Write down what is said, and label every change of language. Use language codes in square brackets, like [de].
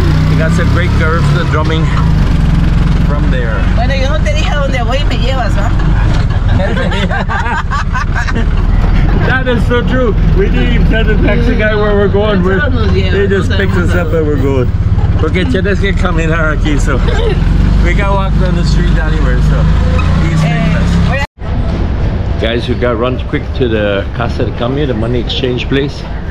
[en] You got some great girls, the drumming from there. [es] Bueno, yo no te dije a dónde voy y me llevas, ¿va? [en] That is so true. We didn't even tell the taxi guy where we're going. They just picked us up and we're good. [es] Porque tienes que caminar aquí, [en] so we can walk down the street anywhere, so he's taking us. Guys, we got run quick to the Casa de Cambio, the money exchange place.